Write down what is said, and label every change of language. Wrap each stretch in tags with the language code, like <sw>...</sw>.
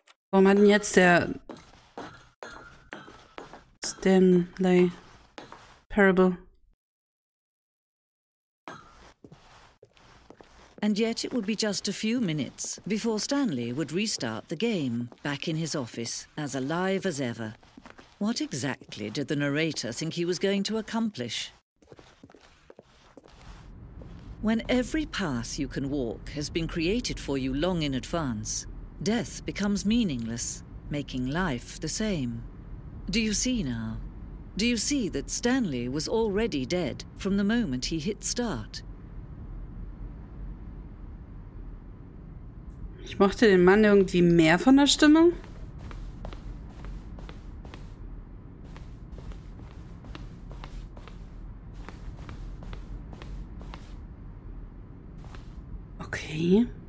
<de>Warum hat denn jetzt der Stanley Parable?</de> <en>And yet it would be just a few minutes before Stanley would restart the game, back in his office, as alive as ever. What exactly did the narrator think he was going to accomplish? When every path you can walk has been created for you long in advance, death becomes meaningless, making life the same. Do you see now? Do you see that Stanley was already dead from the moment he hit start?</en> <de>Ich mochte den Mann irgendwie mehr von der Stimme. Okay.</de>